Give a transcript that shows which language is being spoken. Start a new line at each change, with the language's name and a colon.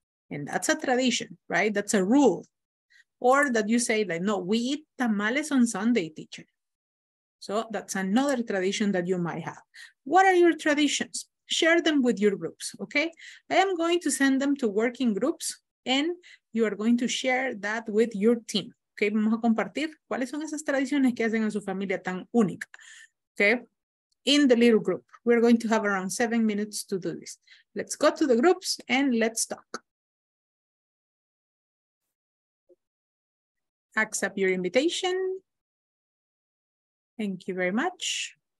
English: And that's a tradition, right? That's a rule. Or that you say like, no, we eat tamales on Sunday, teacher. So that's another tradition that you might have. What are your traditions? Share them with your groups, okay? I am going to send them to working groups and you are going to share that with your team, okay?
Spanish: Vamos a compartir cuáles son esas tradiciones que hacen a su familia tan única, okay?
English: In the little group, we're going to have around 7 minutes to do this. Let's go to the groups and let's talk. Accept your invitation. Thank you very much.